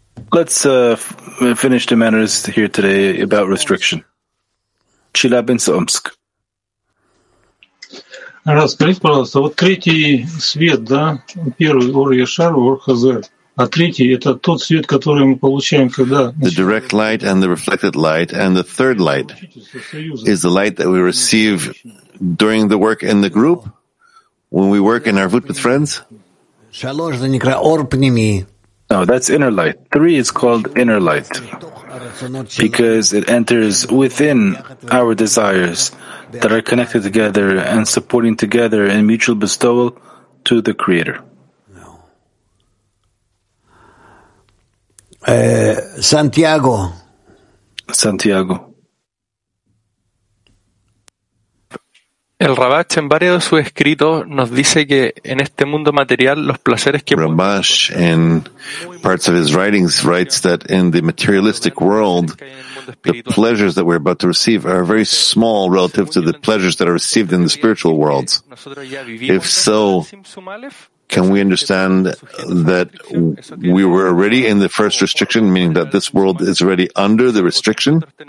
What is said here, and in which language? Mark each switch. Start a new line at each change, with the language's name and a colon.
English: Let's finish the matters here today about restriction.
Russian: Челябинск, Омск. Раз, скажите, пожалуйста, вот третий свет, да, первый Ор Яшар, Ор Хазер, а третий это тот свет, который мы получаем, когда.
English: The direct light and the reflected light and the third light is the light that we receive during the work in the group when we work in our Арвут with friends.
Russian: Шалош, это называется Ор Пними.
English: No, that's inner light. Three is called inner light, because it enters within our desires that are connected together and supporting together in mutual bestowal to the Creator. Santiago.
Spanish: El Rabash en varios de sus escritos nos dice que en este mundo material los placeres que
English: Rabash in parts of his writings writes that in the materialistic world the pleasures that we're about to receive are very small relative to the pleasures that are received in the spiritual worlds. If so, can we understand that we were already in the first restriction, meaning that this world is already under the restriction?